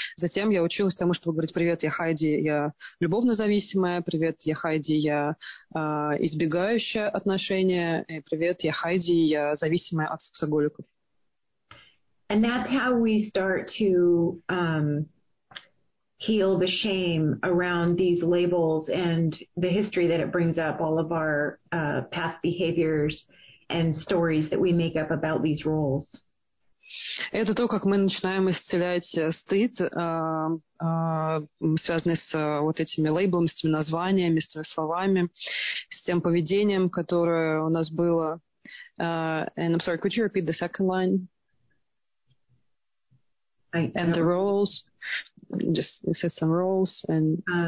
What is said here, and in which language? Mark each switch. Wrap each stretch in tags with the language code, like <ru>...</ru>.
<ru>Затем я училась тому, чтобы говорить «Привет, я Хайди, я любовно зависимая». «Привет, я Хайди, я избегающая отношения». И «Привет, я Хайди, я зависимая от сексоголиков».</ru> <en>And that's how we start to heal the shame around these labels and the history that it brings up, all of our past behaviors and stories that we make up about these roles.</en> <ru>Это то, как мы начинаем исцелять стыд, связанный с вот этими лейблами, с этими названиями, с этими словами, с тем поведением, которое у нас было.</ru> <en>And I'm sorry, could you repeat the second line? And the roles, just you said some roles, and</en>